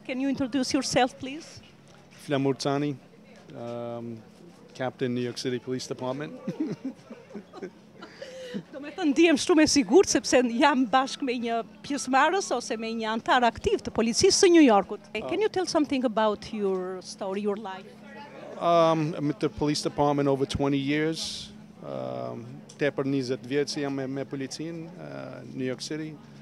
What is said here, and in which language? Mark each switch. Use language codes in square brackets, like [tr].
[en] Can you introduce yourself please? Flamur Tani, Captain New York City Police Department. [sq] Do me të ndihem shumë e sigur, sepse jam bashkë me një pjesëmarrës ose me një antar aktiv të policisë së New Yorkut. [en] Can you tell something about your story, your life? I'm with the police department over 20 years. [sq] Tepër 20 vjetë që jam me policinë, New York City.